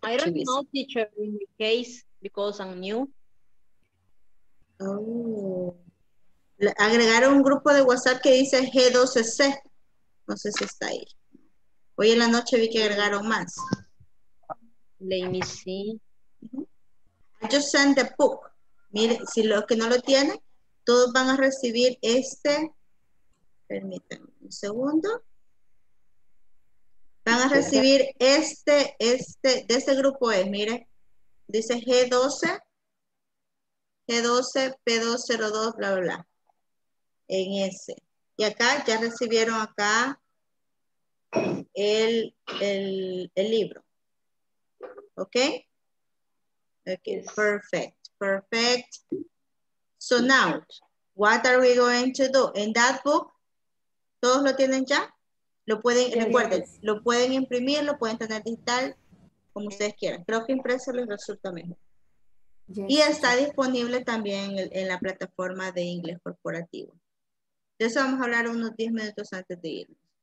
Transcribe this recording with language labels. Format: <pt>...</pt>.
<en>I don't know, teacher, in the case, because I'm new.</en> <es>Oh. Agregaron un grupo de WhatsApp que dice G2C. No sé si está ahí. Hoy en la noche vi que agregaron más.</es> <en>Let me see. I just sent the book.</en> <es>Mire, si los que no lo tienen, todos van a recibir este. Permítanme un segundo. Van a recibir este, de este grupo es, mire. Dice G12. G12, P202, bla, bla, bla. En ese. Y acá ya recibieron acá el libro. ¿Ok?</es> <en>Ok, perfect. Perfect. So now, what are we going to do? In that book,</en> <es>¿todos lo tienen ya? Lo pueden, yes, recuerden, yes, lo pueden imprimir, lo pueden tener digital, como ustedes quieran. Creo que impreso les resulta mejor. Yes. Y está disponible también en la plataforma de inglés corporativo. De eso vamos a hablar unos 10 minutos antes de irnos.</es>